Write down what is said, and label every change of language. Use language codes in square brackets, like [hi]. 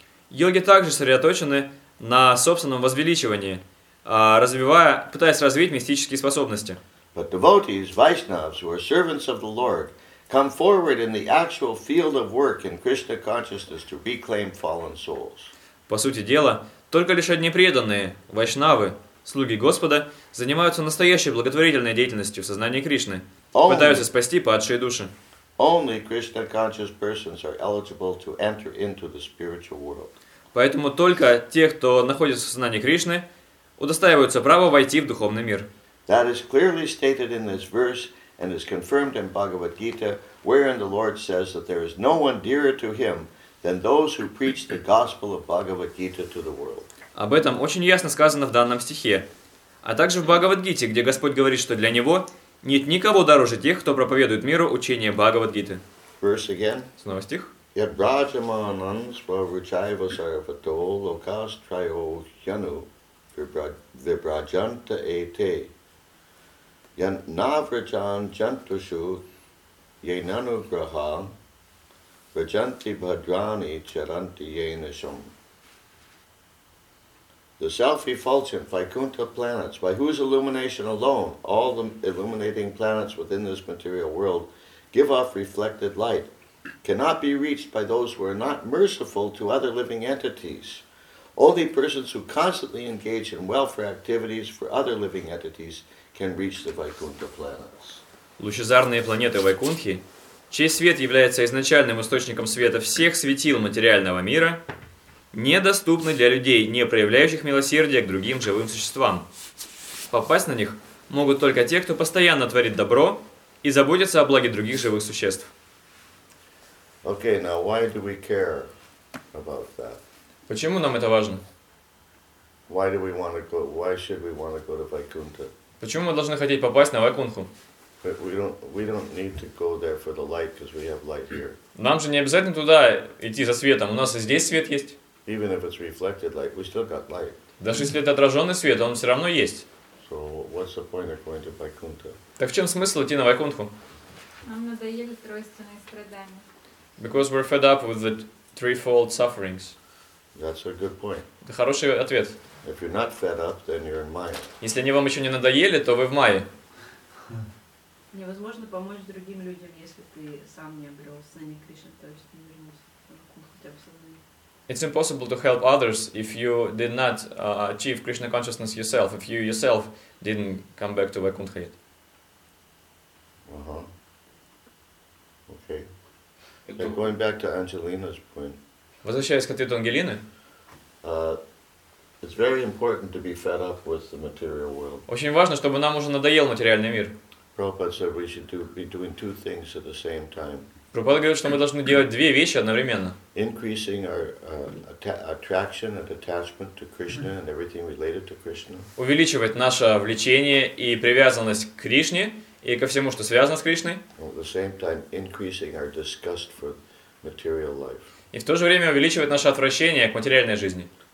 [ru] Йоги также сосредоточены на собственном возвеличивании, пытаясь развить мистические способности. [en] But devotees, Vaishnavas, who are servants of the Lord, come forward in the actual field of work in Krishna consciousness to reclaim fallen souls. [ru] По сути дела, только лишь одни преданные, вайшнавы, слуги Господа, занимаются настоящей благотворительной деятельностью в сознании Кришны, пытаются спасти падшие души. [en] Only Krishna conscious persons are eligible to enter into the spiritual world. [ru] Поэтому только те, кто находится в сознании Кришны, удостаиваются права войти в духовный мир. [en] That is clearly stated in this verse and is confirmed in Bhagavad Gita, wherein the Lord says that there is no one dearer to him than those who preach the gospel of Bhagavad Gita to the world. [ru] Об этом очень ясно сказано в данном стихе, а также в Бхагавад-гите, где Господь говорит, что для него нет никого дороже тех, кто проповедует миру учение Бхагавад-гиты. [en] Verse again. [ru] Снова стих. [sa] Yet Brajamanan Svavruchaiva Sarvato Lokas Trayo Yanu Vibrajanta Ete Yan Navrajan Jantushu Yenanu Graha Vrajanti Bhadrani Charanti Yenasham. [en] The self-effulgent Vaikuntha planets, by whose illumination alone all the illuminating planets within this material world give off reflected light, cannot be reached by those who are not merciful to other living entities. Only persons who constantly engage in welfare activities for other living entities can reach the Vaikuntha planets. [ru] Лучезарные планеты Вайкунхи, чей свет является изначальным источником света всех светил материального мира, недоступны для людей, не проявляющих милосердия к другим живым существам. Попасть на них могут только те, кто постоянно творит добро и заботится о благе других живых существ. [en] Okay, now why do we care about that? [ru] Почему нам это важно? [en] Why do we want to go? Why should we want to go to Vaikuntha? [ru] Почему мы должны хотеть попасть на Вайкунху? [en] We don't need to go there for the light, because we have light here. [ru] Нам же не обязательно туда идти за светом. У нас и здесь свет есть. [en] Even if it's reflected light, we still got light. [ru] Даже если это отраженный свет, он все равно есть. [en] So what's the point of going to Vaikuntha? [ru] Так в чем смысл идти на Вайкунху? Нам надоели тройственные страдания. [en] Because we're fed up with the threefold sufferings. That's a good point. [ru] Это хороший ответ. [en] If you're not fed up, then you're in Maya. [ru] Если они вам еще не надоели, то вы в Майе. Невозможно помочь другим людям, если ты сам не обрел сознание Кришны, то есть не вернулся в Вайкунху хотя бы сознание. [en] It's impossible to help others if you did not achieve Krishna consciousness yourself, if you yourself didn't come back to Vaikuntha yet. Uh-huh. Okay. So going back to Angelina's point. [ru] Возвращаясь к ответу Ангелины. [en] It's very important to be fed up with the material world. [ru] Очень важно, чтобы нам уже надоел материальный мир. [en] Prabhupada said we should be doing two things at the same time. [ru] Прабхупада говорит, что мы должны делать две вещи одновременно. Увеличивать наше влечение и привязанность к Кришне и ко всему, что связано с Кришной. И в то же время увеличивать наше отвращение к материальной жизни.